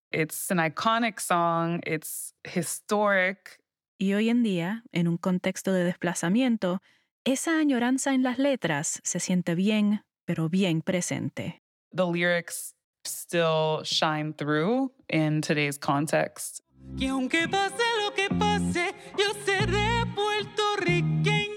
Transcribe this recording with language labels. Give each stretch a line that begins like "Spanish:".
English: It's an iconic song, it's historic.
Spanish: Y hoy en día, en un contexto de desplazamiento, esa añoranza en las letras se siente bien, pero bien presente.
English: The lyrics still shine through in today's context.
Spanish: Y aunque pase lo que pase, yo seré puertorriqueña.